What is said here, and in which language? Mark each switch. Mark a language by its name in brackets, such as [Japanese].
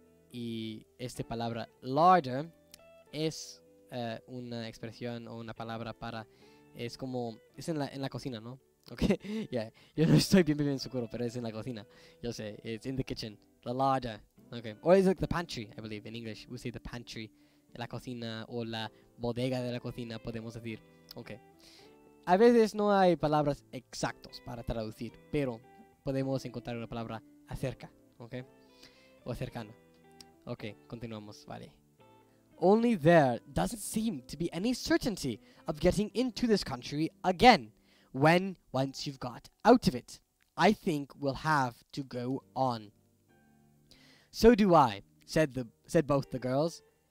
[Spanish] Y esta palabra larder es una expresión o una palabra para es como es en la cocina, ¿no? [English] Okay, yeah. [Spanish] Yo no estoy bien seguro, pero es en la cocina. Yo sé, [English] it's in the kitchen, the larder. Okay, or it's like the pantry, I believe in English. We say the pantry, [Spanish] la cocina o la bodega de la cocina, podemos decir. Okay. A veces no hay palabras exactas para traducir, pero podemos encontrar una palabra acerca, ¿ok? O cercana. Ok, continuamos, vale. [English] Only there doesn't seem to be any certainty of getting into this country again when once you've got out of it. I think we'll have to go on. So do I, said both the girls.